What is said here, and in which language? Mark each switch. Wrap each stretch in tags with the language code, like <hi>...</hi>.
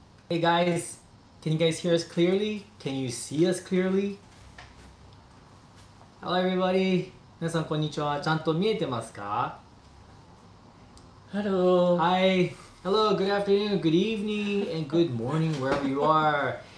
<en>Hey guys, can you guys hear us clearly? Can you see us clearly? Hello everybody.</en> <ja>皆さんこんにちは。ちゃんと見えてますか?</ja> <en>Hello. Hi. Hello, good afternoon, good evening, and good morning wherever you are.</en>